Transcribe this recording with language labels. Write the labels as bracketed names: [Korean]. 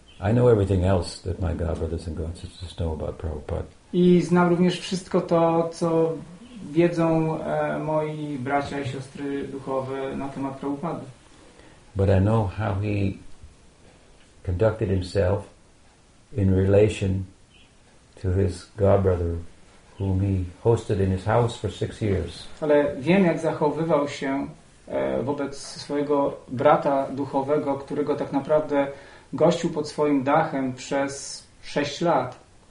[English] I know everything else that my God brothers and God sisters know about Prabhupada. [Polish] I znam również wszystko to, co wiedzą moi bracia i siostry duchowe na temat Prabhupady. [English] But I know how he conducted himself in relation to his God brother, whom he hosted in his house for 6 years. [Polish] Ale wiem, jak zachowywał się wobec swojego brata duchowego, którego tak naprawdę gościł pod swoim dachem przez 6 lat.